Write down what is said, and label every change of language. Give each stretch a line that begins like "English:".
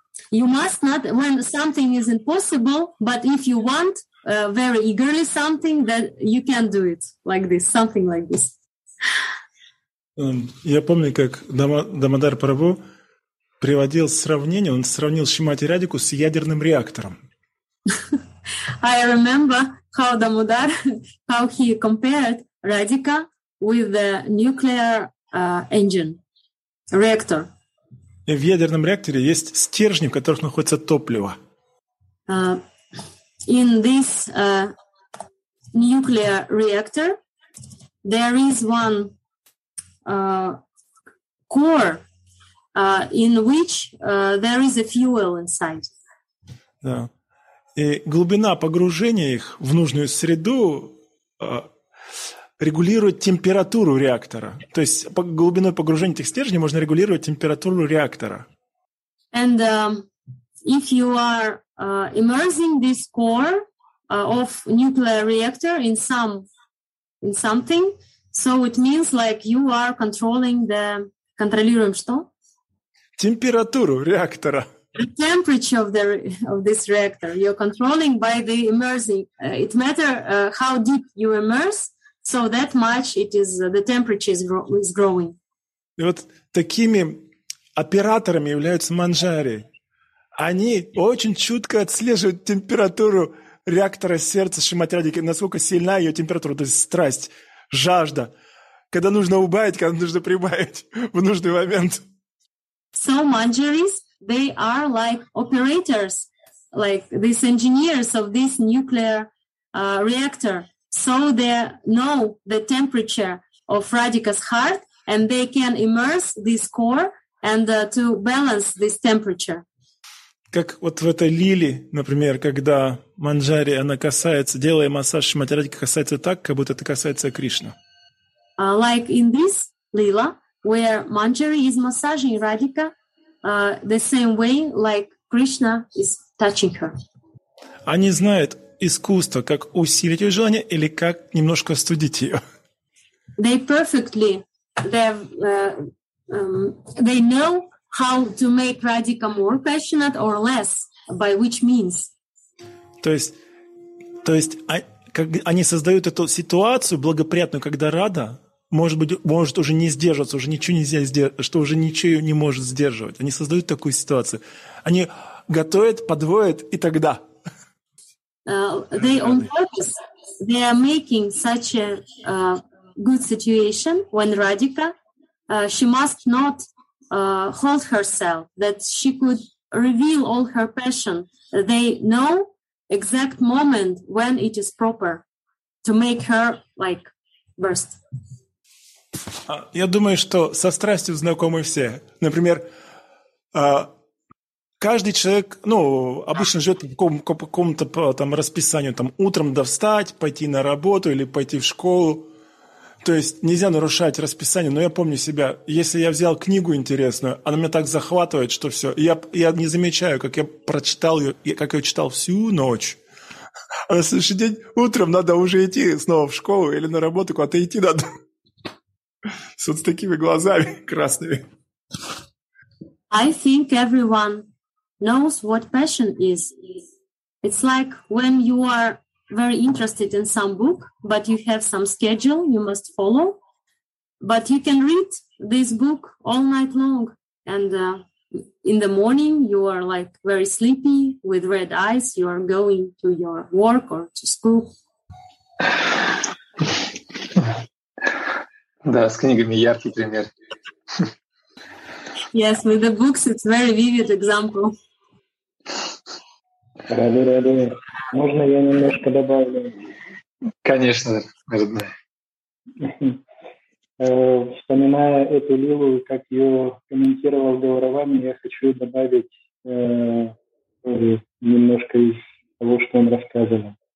English: when something is impossible, but if you want very eagerly something, then you can do it like this, something like this.
Russian: Я помню, как Дамодар Прабху приводил сравнение, он сравнил Шримати Радику с ядерным реактором.
English: I remember how Damodar, how he compared Radhika with the nuclear engine, reactor.
Russian: И в ядерном реакторе есть стержни, в которых находится топливо.
English: In this nuclear reactor, there is one core in which there is a fuel inside.
Russian: Да. И глубина погружения их в нужную среду регулирует температуру реактора. То есть по глубиной погружения этих стержней можно регулировать температуру реактора.
English: And if you are immersing this core of nuclear reactor in some in something, so it means like you are controlling the
Russian: контролируем что? Температуру реактора.
English: The temperature of the of this reactor you're controlling by the immersing. It matter how deep you immerse, so that much it is the temperature is growing.
Russian: И вот такими операторами являются манджари. Они очень чутко отслеживают температуру реактора сердца Шримати Радики, насколько сильна ее температура, то есть страсть, жажда, когда нужно убавить, когда нужно прибавить в нужный момент.
English: So manjaris, they are like operators, like these engineers of this nuclear reactor. So they know the temperature of Radhika's heart, and they can immerse this core and to balance this temperature.
Russian: Как вот в этой лили, например, когда манджари, она касается, делая массаж Шримати Радики, касается так, как будто это касается Кришны.
English: Like in this lila, where manjari is massaging Radhika, the same way, like Krishna is touching her.
Russian: Они знают искусство, как усилить ее желание или как немножко остудить ее.
English: They perfectly, they know how to make Radhika more passionate or less, by which means.
Russian: То есть они создают эту ситуацию благоприятную, когда Рада может уже не сдерживаться, уже ничего нельзя сделать, что уже ничего не может сдерживать. Они создают такую ситуацию. Они готовят, подводят, и тогда.
English: They on purpose, they are making such a good situation when Radhika, she must not hold herself, that she could reveal all her passion. They know exact moment when it is proper to make her like burst.
Russian: Я думаю, что со страстью знакомы все. Например, каждый человек, ну, обычно живет по какому-то там расписанию, там утром до встать, пойти на работу или пойти в школу. То есть нельзя нарушать расписание, но я помню себя, если я взял книгу интересную, она меня так захватывает, что все. Я не замечаю, как я прочитал ее, как я читал всю ночь. А на следующий день утром надо уже идти снова в школу или на работу, куда-то идти надо. С вот такими глазами красными.
English: I think everyone knows what passion is. It's like when you are very interested in some book, but you have some schedule you must follow. But you can read this book all night long. And in the morning, you are like very sleepy with red eyes. You are going to your work or to school.
Russian: Да, с книгами яркий пример.
English: Yes, with the books, it's very vivid example.
Russian: Ради, ради. Можно я немножко добавлю? Конечно, родная. Вспоминая эту лилу, как ее комментировал Гауравами, я хочу добавить немножко из того, что он рассказывал.